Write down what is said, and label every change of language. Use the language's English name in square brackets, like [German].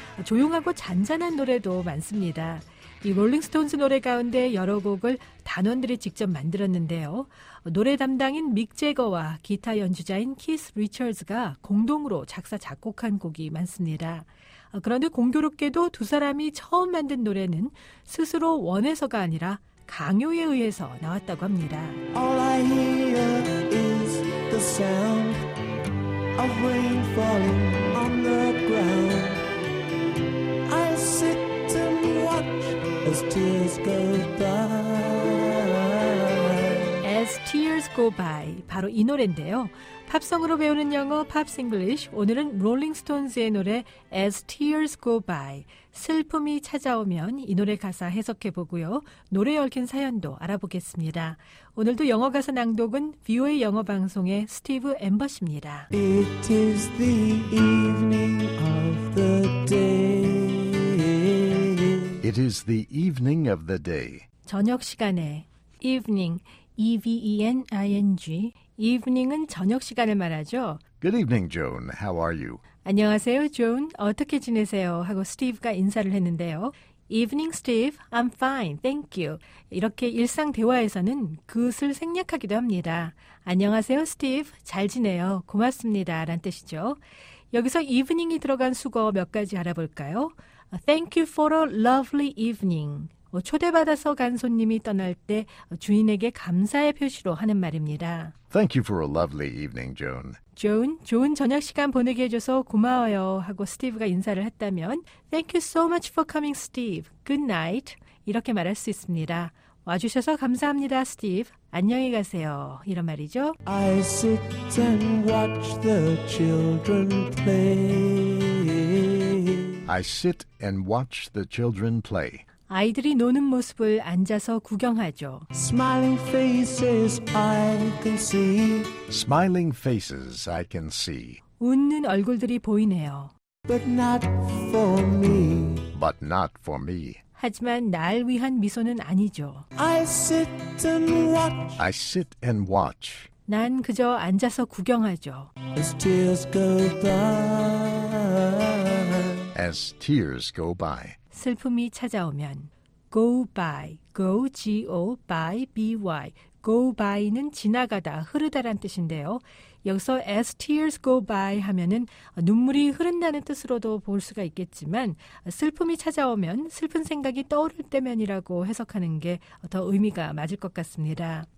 [Korean] 조용하고 잔잔한 노래도 많습니다. 이 롤링스톤스 노래 가운데 여러 곡을 단원들이 직접 만들었는데요. 노래 담당인 믹 제거와 기타 연주자인 키스 리처즈가 공동으로 작사 작곡한 곡이 많습니다. 그런데 공교롭게도 두 사람이 처음 만든 노래는 스스로 원해서가 아니라 강요에 의해서 나왔다고 합니다. [English] All I hear is the sound of rain falling on the ground. I sit and watch as tears go by. As tears go by, [Korean] 바로 이 노래인데요. 팝송으로 배우는 영어 팝스 잉글리쉬 오늘은 롤링스톤즈의 노래 As Tears Go By 슬픔이 찾아오면 이 노래 가사 해석해보고요. 노래에 얽힌 사연도 알아보겠습니다. 오늘도 영어 가사 낭독은 VOA 영어 방송의 스티브 엠버시입니다. [English] It is the evening of the day. It is the evening of the day. [Korean] 저녁 시간에 evening, E-V-E-N-I-N-G. evening은 저녁 시간을 말하죠. [English] Good evening, Joan. How are you? [Korean] 안녕하세요, Joan. 어떻게 지내세요? 하고 스티브가 인사를 했는데요. [English] Evening, Steve. I'm fine. Thank you. [Korean] 이렇게 일상 대화에서는 good을 생략하기도 합니다. 안녕하세요, Steve. 잘 지내요. 고맙습니다. 라는 뜻이죠. 여기서 evening이 들어간 수거 몇 가지 알아볼까요? [English] Thank you for a lovely evening. [Korean] 초대받아서 간 손님이 떠날 때 주인에게 감사의 표시로 하는 말입니다. [English] Thank you for a lovely evening, Joan. [Korean] Joan, 좋은 저녁 시간 보내게 해줘서 고마워요 하고 스티브가 인사를 했다면 [English] Thank you so much for coming, Steve. Good night. [Korean] 이렇게 말할 수 있습니다. 와주셔서 감사합니다, Steve. 안녕히 가세요. 이런 말이죠. [English] I sit and watch the children play. I sit and watch the children play. [Korean] 아이들이 노는 모습을 앉아서 구경하죠. [English] Smiling faces I can see. Smiling faces I can see. [Korean] 웃는 얼굴들이 보이네요. [English] But not for me. But not for me. [Korean] 하지만 날 위한 미소는 아니죠. [English] I sit and watch. I sit and watch. [Korean] 난 그저 앉아서 구경하죠. [English] As tears go by. As tears go by. [Korean] 슬픔이 찾아오면 go by, go, G-O, by, B-Y. go by는 지나가다, 흐르다란 뜻인데요. 여기서 as tears go by 하면은 눈물이 흐른다는 뜻으로도 볼 수가 있겠지만 슬픔이 찾아오면 슬픈 생각이 떠오를 때면이라고 해석하는 게 더 의미가 맞을 것 같습니다.